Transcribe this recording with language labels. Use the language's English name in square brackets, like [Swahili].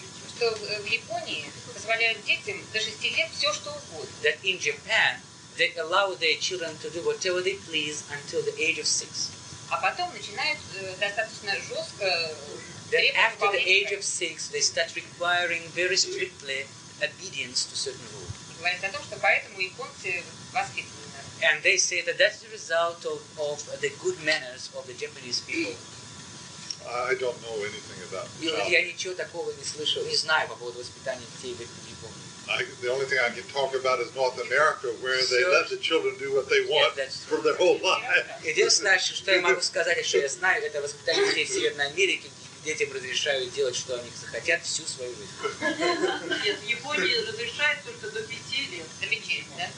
[Russian] Что в Японии позволяют детям до 6 лет все, что угодно. [English] That in Japan, they allow their children to do whatever they please until the age of 6. [Russian] А потом начинают достаточно жестко требовать. [English] After the age of 6, they start requiring very strictly obedience to certain rules. [Russian] Говорят о том, что поэтому японцы воспитаны. [English] And they say that that's the result of the good manners of the Japanese people. I don't know anything about child. [Russian] Я ничего такого не слышал. Не знаю по поводу воспитания детей в Японии. [English] The only thing I can talk about is North America, where they let the children do what they want for their whole life. [Russian] Единственное, что я могу сказать, что я знаю, это воспитание детей в Северной Америке, детям разрешают делать, что они захотят всю свою жизнь. Нет, в Японии разрешают только до 5 лет. До 5 лет, да?